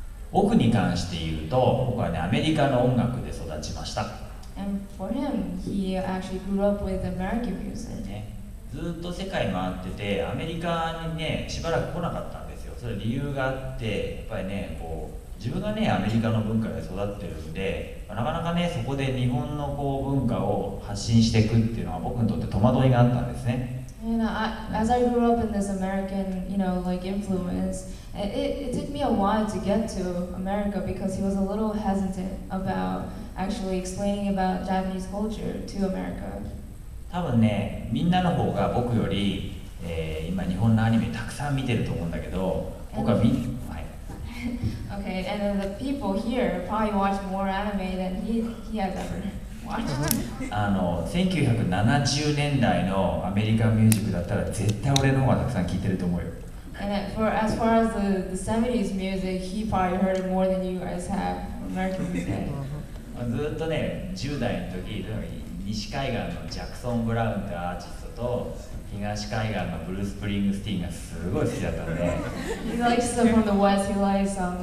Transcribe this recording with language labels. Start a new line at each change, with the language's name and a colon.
Japanese: 僕に関して言うと、僕はね、アメリカの音楽で育ちました。
English: And for him, he actually grew up with American music.
Japanese: ね。ずっと世界回ってて、アメリカにね、しばらく来なかったんですよ。それ理由があって、やっぱりね、こう自分がね、アメリカの文化で育ってるんで、なかなかね、そこで日本のこう文化を発信していくっていうのは僕にとって戸惑いがあったんですね。
English: And as I grew up in this American, you know, like influence, it took me a while to get to America because he was a little hesitant about actually explaining about Japanese culture to America.
Japanese: 多分ね、みんなの方が僕より、今日本のアニメたくさん見てると思うんだけど、僕はみんな、はい。
English: Okay, and then the people here probably watch more anime than he has ever watched.
Japanese: あの、1970年代のアメリカンミュージックだったら絶対俺の方がたくさん聴いてると思うよ。
English: And for as far as the 70s music, he probably heard more than you guys have American music.
Japanese: ずっとね、10代の時、西海岸のジャクソン・ブラウンってアーティストと東海岸のブルース・スプリングスティーンがすごい好きだったので。
English: He likes stuff from the West, he likes